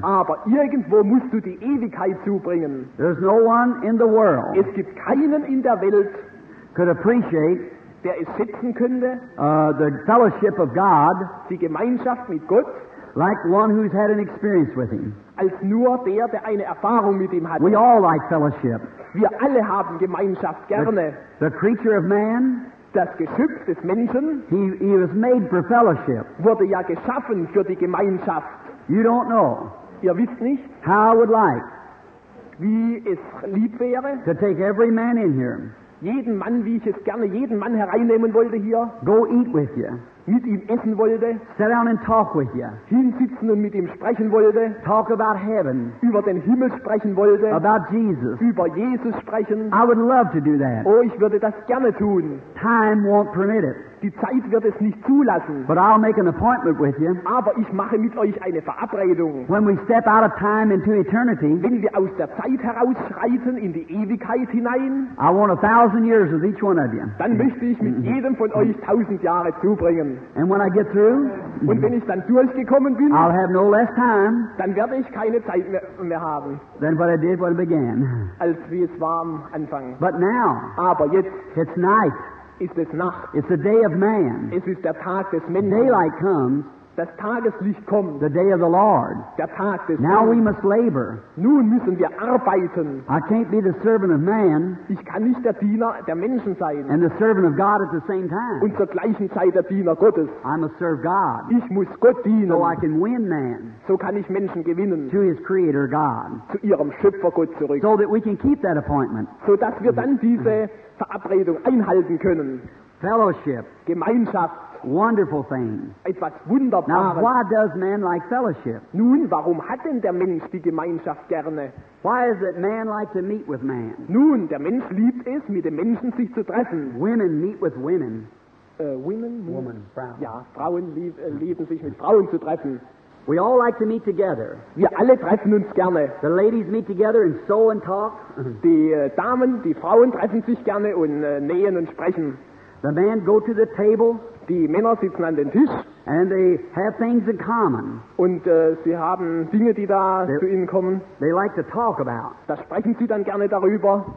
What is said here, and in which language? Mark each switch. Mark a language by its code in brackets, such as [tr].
[de] Aber irgendwo musst du die Ewigkeit zubringen. [en] There's no one in the world. [de] Es gibt keinen in der Welt. [en] Could appreciate. [de] Der es schätzen könnte. [en] The fellowship of God. [de] Die Gemeinschaft mit Gott. [en] Like one who's had an experience with him. [de] Als nur der eine Erfahrung mit ihm hatte. [en] We all like fellowship. [de] Wir alle haben Gemeinschaft gerne. [en] The creature of man. [de] Das Geschöpf des Menschen, [en] he was made for fellowship. [de] Wurde ja geschaffen für die Gemeinschaft. [en] You don't know. [de] Ihr wisst nicht. [en] How I would like. [de] Wie es lieb wäre. [en] To take every man in here. [de] Jeden Mann, wie ich es gerne jeden Mann hereinnehmen wollte hier. [en] Go eat with you. [de] mit ihm essen wollte, [en] sit down and talk with you, [de] hinsitzen und mit ihm sprechen wollte, [en] talk about heaven, [de] über den Himmel sprechen wollte, [en] about Jesus, [de] über Jesus sprechen, [en] I would love to do that. [de] Oh, ich würde das gerne tun. [en] Time won't permit it. [de] Die Zeit wird es nicht zulassen. [en] But I'll make an appointment with you. [de] Aber ich mache mit euch eine Verabredung. [en] When we step out of time into eternity, [de] wenn wir aus der Zeit herausschreiten in die Ewigkeit hinein, [en] I want 1,000 years with each one of you. [de] Dann möchte ich mit jedem von euch 1,000 Jahre zubringen. [en] And when I get through, [de] und wenn ich dann durchgekommen bin, [en] I'll have no less time, [de] dann werde ich keine Zeit mehr haben, [en] than what I did when I began. [de] Als wie es war am Anfang. [en] But now, [de] aber jetzt, [en] it's night. [de] Ist es Nacht. [en] It's the day of man. [de] Es ist der Tag des Menschen. [en] Daylight comes. [de] Das Tageslicht kommt. [en] The day of the Lord. [de] Der Tag des [en] Now Lord. We must labor. [de] Nun müssen wir arbeiten. [en] I can't be the servant of man. [de] Ich kann nicht der Diener der Menschen sein. [en] And the servant of God at the same time. [de] Und zur gleichen Zeit der Diener Gottes. [en] I must serve God. [de] Ich muss Gott dienen. [en] So I can win man. [de] So kann ich Menschen gewinnen. [en] To his creator God. [de] Zu ihrem Schöpfer Gott zurück. [en] So that we can keep that appointment. [de] So dass wir dann diese Verabredung einhalten können. [en] Fellowship. [de] Gemeinschaft. [en] Wonderful thing. [de] Etwas Wunderbares. [en] Now, why does man like fellowship? [de] Nun, warum hat denn der Mensch die Gemeinschaft gerne? [en] Why is it man like to meet with man? [de] Nun, der Mensch liebt es, mit den Menschen sich zu treffen. [en] Women meet with women. [de] Women. Frauen. Ja, Frauen lieben sich mit Frauen zu treffen. [en] We all like to meet together. [de] Wir alle treffen uns gerne. [en] The ladies meet together and sew and talk. [de] Die Frauen treffen sich gerne und nähen und sprechen. [en] The men go to the table. [de] Die Männer sitzen an den Tisch. [en] And they have things in common. [de] Und sie haben Dinge, die da zu ihnen kommen. [en] They like to talk about. [de] Das sprechen sie dann gerne darüber.